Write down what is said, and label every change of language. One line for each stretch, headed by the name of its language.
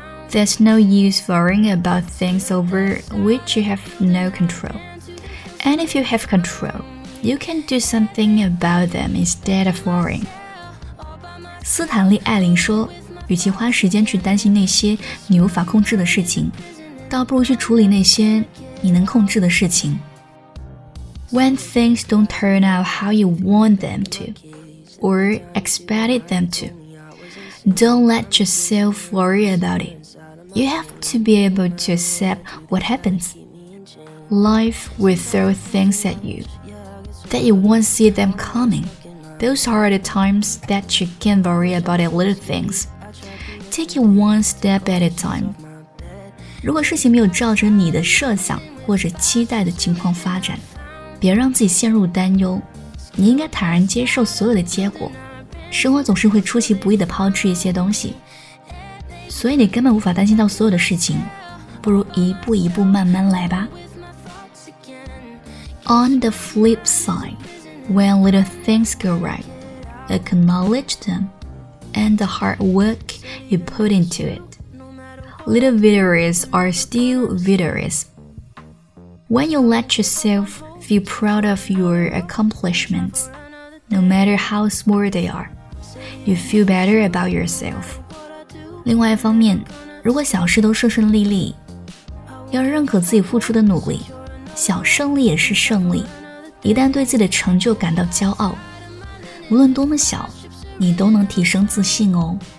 English: There's no use worrying about things over which you have no control. And if you have control, you can do something about them instead of worrying.
Chinese: 斯坦利·艾琳说，与其花时间去担心那些你无法控制的事情，倒不如去处理那些你能控制的事情。
English: When things don't turn out how you want them to, or expected them to, don't let yourself worry about it. You have to be able to accept what happens. Life will throw things at you that you won't see them coming. Those are the times that you can worry about the little things. Take it one step at a time.
Chinese: 如果事情没有照着你的设想或者期待的情况发展，别让自己陷入担忧。你应该坦然接受所有的结果。生活总是会出其不意地抛掷一些东西。所以你根本无法担心到所有的事情，不如一步一步慢慢来吧。
English: On the flip side, when little things go right, acknowledge them and the hard work you put into it. Little victories are still victories. When you let yourself feel proud of your accomplishments, no matter how small they are, you feel better about yourself.
Chinese: 另外一方面，如果小事都顺顺利利，要认可自己付出的努力，小胜利也是胜利。一旦对自己的成就感到骄傲，无论多么小，你都能提升自信哦。